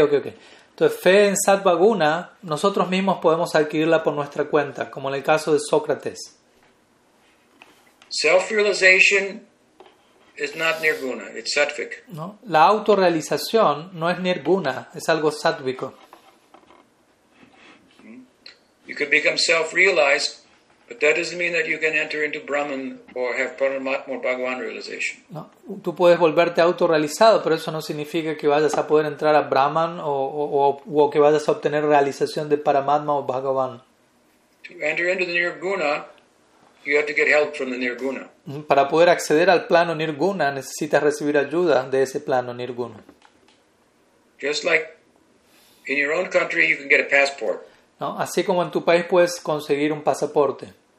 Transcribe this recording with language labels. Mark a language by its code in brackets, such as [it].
[es] Entonces, fe en Sattvaguna, nosotros mismos podemos adquirirla por nuestra cuenta, como en el caso de Sócrates. [en] Self-realization is not Nirguna, it's Sattvic. [es] No, la autorrealización no es Nirguna, es algo Sattvico. [en] You could become self-realized, but that doesn't mean that you can enter into Brahman or have Paramatma or Bhagavan realization. [es] No, tú puedes volverte autorrealizado, pero eso no significa que vayas a poder entrar a Brahman o que vayas a obtener realización de Paramatma o Bhagavan. [en] To enter into the Nirguna, you have to get help from the Nirguna. [es] Para poder acceder al plano Nirguna, necesitas recibir ayuda de ese plano Nirguna. [en] Just like in your own country, you can get a passport. [es] ¿No? Así como en tu país puedes conseguir un pasaporte.